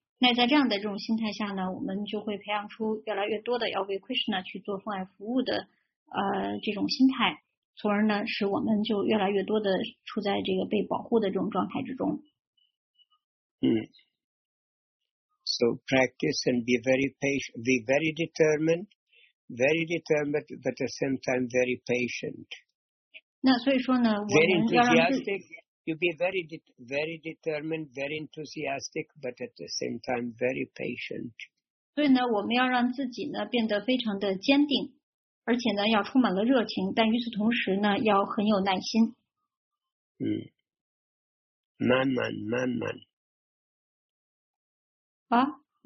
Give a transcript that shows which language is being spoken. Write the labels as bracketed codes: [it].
[zh] 那在这样的这种心态下呢，我们就会培养出越来越多的要为 Krishna 去做奉爱服务的这种心态，从而呢，使我们就越来越多的处在这个被保护的这种状态之中。 [en] So practice and be very patient, be very determined, but at the same time very patient. [zh] 那所以说呢，我们要让自己 [en] very determined, very enthusiastic, but at the same time very patient. [zh] 所以呢，我们要让自己呢变得非常的坚定，而且呢要充满了热情，但与此同时呢要很有耐心。慢慢。啊，